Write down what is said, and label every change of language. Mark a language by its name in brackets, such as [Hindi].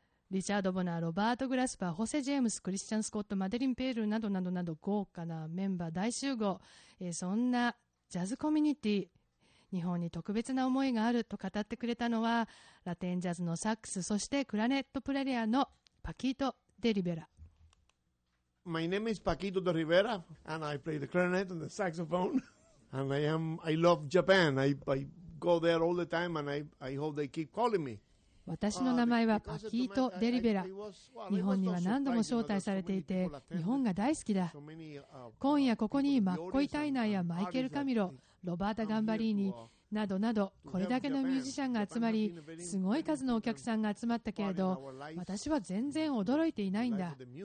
[Japanese] リチャード・ボナー、ロバート・グラスパー、ホセ・ジェームス、クリスチャン・スコット、マデリン・ペールなどなどなど、豪華なメンバー大集合、そんなジャズコミュニティ、日本に特別な思いがあると語ってくれたのは、ラテンジャズのサックス、そしてクラネットプレイヤーのパキート・デ・リベラ。 [English] My name is Paquito de Rivera, and I play the clarinet and the saxophone. And I love Japan. I go there all the time, and I hope they keep calling me. [Japanese] 私の名前はパキート・デ・リベラ。日本には何度も招待されていて、日本が大好きだ。今夜ここにマッコイ・タイナーやマイケル・カミロ、ロバータ・ガンバリーニなどなど、これだけのミュージシャンが集まり、すごい数のお客さんが集まったけれど、私は全然驚いていないんだ。